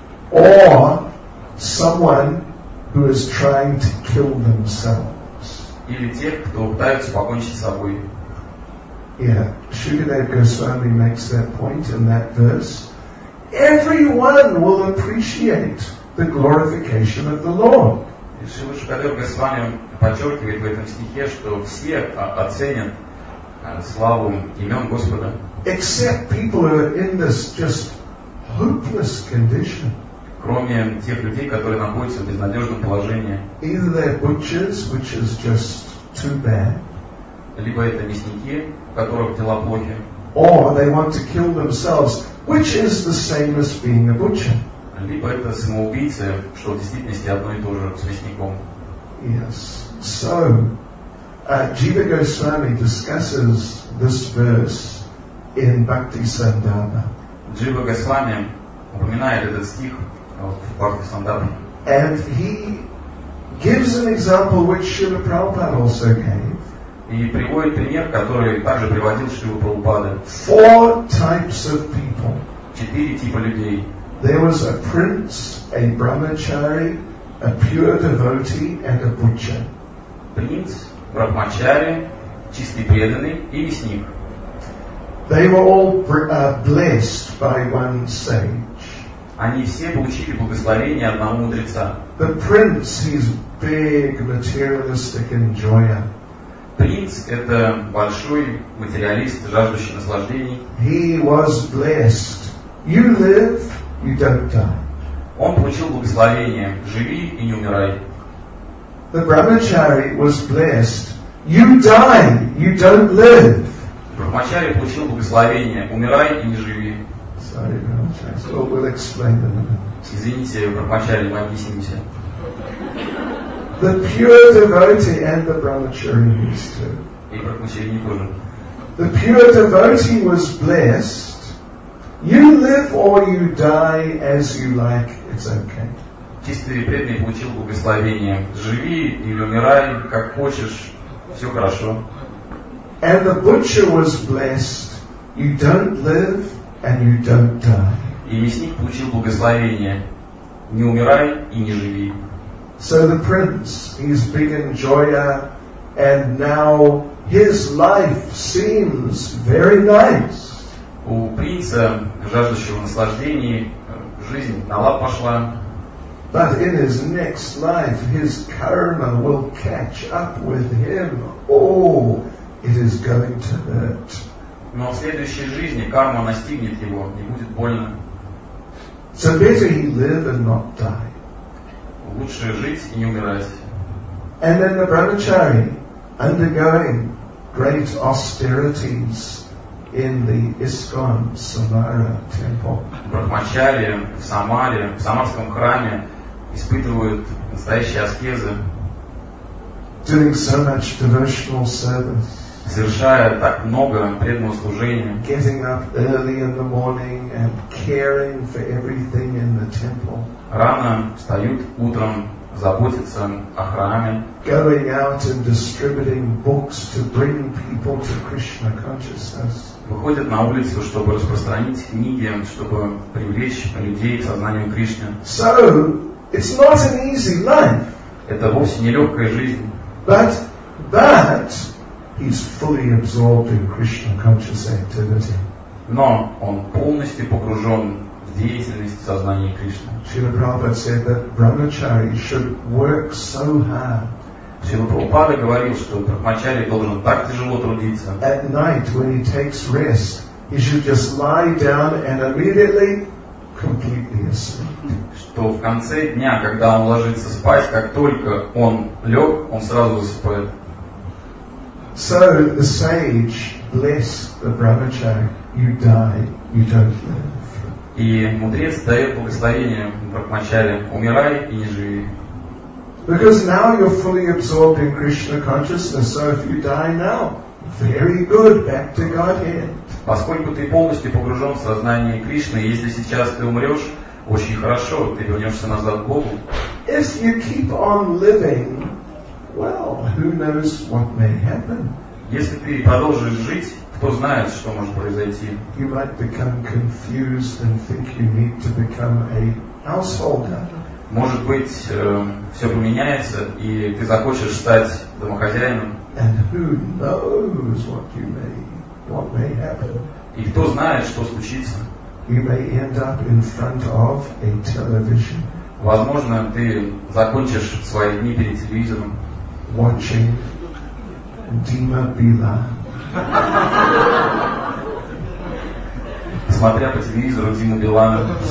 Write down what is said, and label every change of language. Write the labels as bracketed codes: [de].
[en] Or someone who is trying to kill themselves. [ru] Или тех, кто пытаются покончить с собой. [en] Yeah, Shukadeva Goswami makes that point in that verse. Everyone will appreciate the glorification of the Lord. [ru] Шрила Шукадева Госвами подчеркивает в этом стихе, что все оценят славу имен Господа. [en] Except people who are in this just hopeless condition. [ru] Кроме тех людей, которые находятся в безнадежном положении. [en] Either they're butchers, which is just too bad. [ru] Либо это мясники, у которых дела плохи. [en] Or they want to kill themselves, which is the same as being a butcher. [ru] Либо это самоубийцы, что в действительности одно и то же с мясником. [en] Yes. So, Jiva Goswami discusses this verse in Bhakti Sandarbha. [ru] Jiva Goswami упоминает этот стих в Бхакти Сандарбхе. [en] And he gives an example which Srila Prabhupada also gave. [ru] И приводит пример, который также приводил Шрила Прабхупада. [en] Four types of people. [ru] Четыре типа людей. [en] There was a prince, a brahmachari, a pure devotee, and a butcher. [ru] Принц, брахмачари, чистый преданный и мясник. [en] They were all blessed by one sage. [ru] Они все получили благословение одного мудреца. [en] The prince, he's big, materialistic enjoyer. [ru] Принц — это большой материалист, жаждущий наслаждений. [en] He was blessed. You live, you don't die. [ru] Он получил благословение. Живи и не умирай. [en] The brahmachari was blessed. You die, you don't live. [ru] Брахмачари получил благословение. Умирай и не живи. [en] Sorry, brahmachari. So we'll explain them. [ru] Извините, брахмачари, мы объяснимся. [en] The pure devotee and the brahmachari used to. The pure devotee was blessed. You live or you die as you like, it's okay. [ru] Чистый преданный получил благословение. Живи или умирай, как хочешь, все хорошо. [en] And the butcher was blessed. You don't live and you don't die. [ru] И мясник получил благословение. Не умирай и не живи. [en] So the prince, he's big enjoyer, and now his life seems very nice. [ru] У принца, жаждущего наслаждений, жизнь на лад пошла. [en] But in his next life, his karma will catch up with him. Oh, it is going to hurt. [ru] Но в следующей жизни карма настигнет его, и будет больно. [en] So better he live and not die. [ru] Лучше жить и не умирать. [en] And then the brahmachari, undergoing great austerities in the ISKCON Samara temple. [ru] Брахмачари в Самаре, в Самарском храме, испытывают настоящие аскезы. [en] Doing so much devotional service. [ru] Совершая так много преданного служения. [en] Getting up early in the morning and caring for everything in the temple. [ru] Рано встают утром, заботятся о храме. [en] Going out and distributing books to bring people to Krishna consciousness. [ru] Выходят на улицу, чтобы распространить книги, чтобы привлечь людей к сознанию Кришны. [en] So, it's not an easy life. [ru] Это вовсе не легкая жизнь. [en] But he's fully absorbed in Krishna conscious activity. [ru] Но он полностью погружен в деятельность сознания Кришны. [en] Srila Prabhupada said that brahmachari should work so hard. [ru] Srila Prabhupada говорил, что брахмачари должен так тяжело трудиться. [en] At night, when he takes rest, he should just lie down and immediately completely asleep. [ru] Что в конце дня, когда он ложится спать, как только он лег, он сразу засыпает. [en] So the sage blessed the brahmachari. You die, you don't live. [ru] И мудрец дает благословение брахмачари. Умирай и не живи. [en] Because now you're fully absorbed in Krishna consciousness, so if you die now, very good, back to Godhead. [ru] Поскольку ты полностью погружен в сознание Кришны, если сейчас ты умрешь, очень хорошо, ты вернешься назад к Богу. [en] If you keep on living, well, who knows what may happen? [ru] Если ты продолжишь жить, кто знает, что может произойти? [en] You might become confused and think you need to become a householder. [ru] Может быть, все поменяется, и ты захочешь стать домохозяином. [en] And who knows what may happen? [ru] И кто знает, что случится? [en] You may end up in front of a television. [ru] Возможно, ты закончишь свои дни перед телевизором. [en] Watching Dima Bila. [ru] Смотря по телевизору Диму Билану.